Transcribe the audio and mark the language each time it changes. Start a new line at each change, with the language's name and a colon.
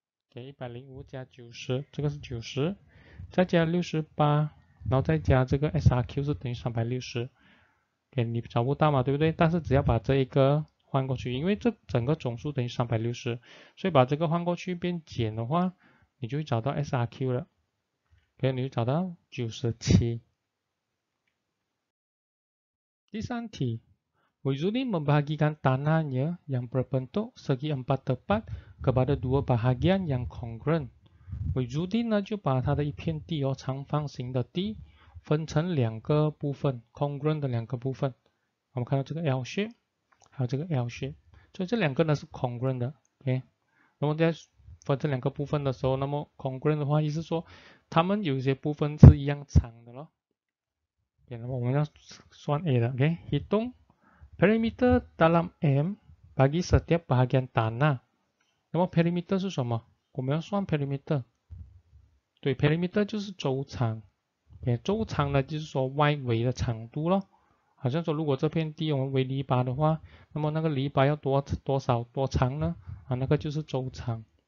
Chinese: 给105加90，这个是90，再加68，然后再加这个 SRQ 是等于360，给你找不到嘛，对不对？但是只要把这一个换过去，因为这整个总数等于360，所以把这个换过去变减的话，你就会找到 SRQ 了，给你就找到97。第三题
Malay: ，Wujudi membahagikan tanahnya yang berbentuk segi empat tepat。 kepada dua bahagian yang congruent，
Chinese: Wujudi 呢就把它的一片地哦，长方形的地分成两个部分 ，congruent 的两个部分。我们看到这个 L shape， 还有这个 L shape， 所以这两个呢是 congruent 的。 OK， 那么在分成两个部分的时候，那么 congruent 的话意思说它们有些部分是一样长的咯。 OK， 那么我们要算 A 的。OK，
Malay: hitung perimeter dalam M bagi setiap bahagian tanah。
Chinese: 那么 perimeter 是什么？我们要算 perimeter， 对， perimeter 就是周长， okay， 周长呢就是说外围的长度咯，好像说如果这片地我们为篱笆的话，那么那个篱笆要多少多长呢？啊，那个就是周长。